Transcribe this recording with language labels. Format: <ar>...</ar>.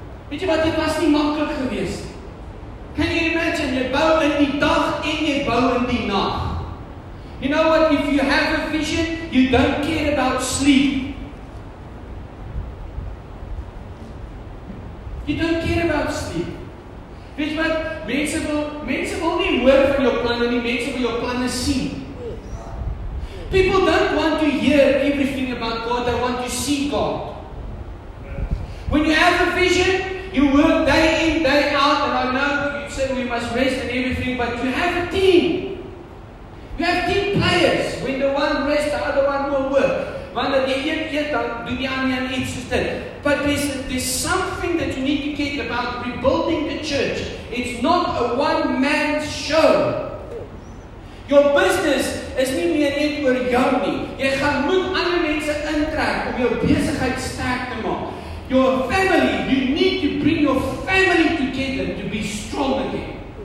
<af>Weet jy wat, dit was nie maklik gewees.</af> <en>Can you imagine,</en> <af>jy bou in die dag en jy bou in die nag.</af> <en>You know what, if you have a vision, you don't care about sleep. You don't care about sleep.</en> <af>Weet jy wat, mense wil nie hoor van jou planne nie, mense wil jou planne sien.</af> <en>People don't want to hear everything about God, they want to see God. When you have a vision, you work day in, day out, and I know you said we must rest and everything, but you have a team. You have team players. When the one rests, the other one will work.</en> <af>Wanneer die een eet, dan doen die ander een iets soos dit.</af> <en>But there's something that you need to get about rebuilding the church. It's not a one-man show. Your business</en> <af>is nie meer net oor jou nie. Jy gaan moet ander mense intrek om jou besigheid sterk te maak.</af> <en>Your family, you need to bring your family together to be strong again.</en>